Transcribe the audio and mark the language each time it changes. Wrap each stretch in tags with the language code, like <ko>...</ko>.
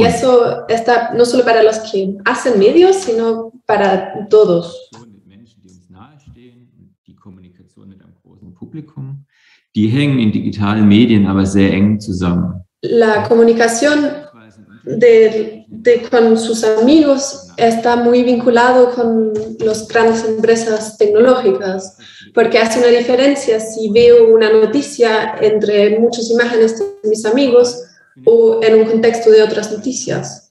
<es>Y eso está no solo para los que hacen medios, sino para todos.</es> <de>Mit Menschen, die uns nahestehen, die Kommunikation mit einem großen Publikum, die hängen in digitalen Medien aber sehr eng zusammen.</de> <es>La comunicación de con sus amigos está muy vinculado con las grandes empresas tecnológicas. Porque hace una diferencia si veo una noticia entre muchas imágenes de mis amigos o en un contexto de otras noticias.</es>